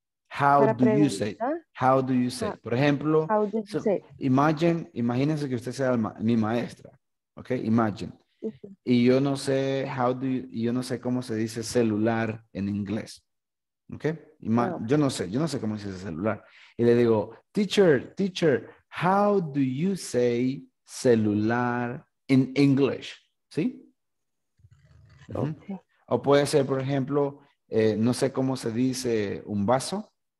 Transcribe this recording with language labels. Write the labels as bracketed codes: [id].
[en] How do you say? [es] Por ejemplo, imagínense que usted sea mi maestra, ¿ok? Imagine. Uh-huh. Y yo no sé cómo se dice celular en inglés, ¿ok? Yo no sé cómo se dice celular. Y le digo, [en] teacher, how do you say celular in English? [es] ¿Sí? [en] Okay. [es] O puede ser, por ejemplo, no sé cómo se dice un vaso.